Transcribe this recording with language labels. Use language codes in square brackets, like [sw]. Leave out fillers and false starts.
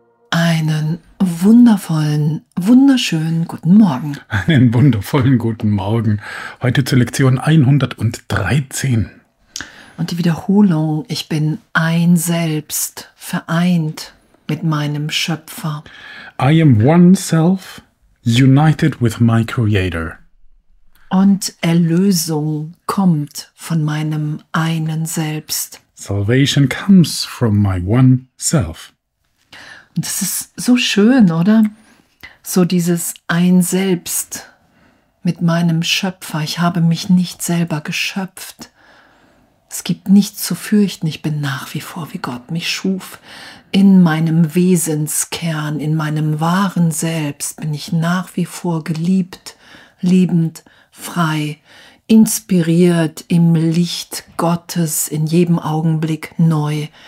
[de] Einen wundervollen, wunderschönen guten Morgen. Einen wundervollen guten Morgen. Heute zur Lektion 113. Und die Wiederholung, ich bin ein Selbst, vereint mit meinem Schöpfer. [en] I am one self, united with my Creator. [de] Und Erlösung kommt von meinem einen Selbst. [en] Salvation comes from my one self. [de] Und das ist so schön, oder? So dieses ein Selbst mit meinem Schöpfer. Ich habe mich nicht selber geschöpft. Es gibt nichts zu fürchten. Ich bin nach wie vor, wie Gott mich schuf. In meinem Wesenskern, in meinem wahren Selbst bin ich nach wie vor geliebt, liebend, frei, inspiriert im Licht Gottes in jedem Augenblick neu.